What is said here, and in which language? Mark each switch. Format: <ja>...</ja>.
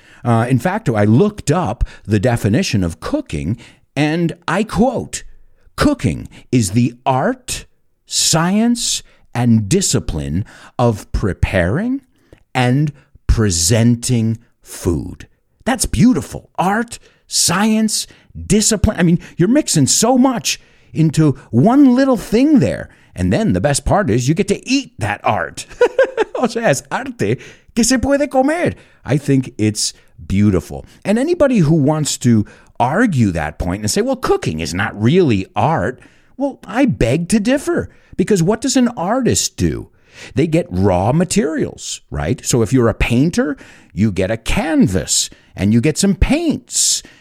<en>In fact, I looked up the definition of cooking, and I quote, "Cooking is the art, science, and discipline of preparing and presenting food." That's beautiful. Art, science, discipline. I mean, you're mixing so much into one little thing there. And then the best part is you get to eat that art.</en> <es>O sea, es arte que se puede comer.</es> <en>I think it's beautiful. And anybody who wants to argue that point and say, well, cooking is not really art. Well, I beg to differ. Because what does an artist do? They get raw materials, right? So if you're a painter, you get a canvas and you get some paints.</en>